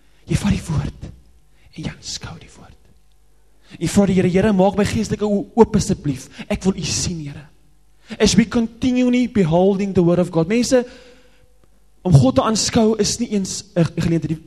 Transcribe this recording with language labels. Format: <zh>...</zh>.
<af>Jy vat die woord, en jy aanskou die woord. Jy vra die Here, maak my geestelike oë oop asseblief, ek wil u sien, Here.</af> <en>As we continually beholding the word of God.</en> <af>Mense, om God te aanskou is nie eens een geleentheid.</af>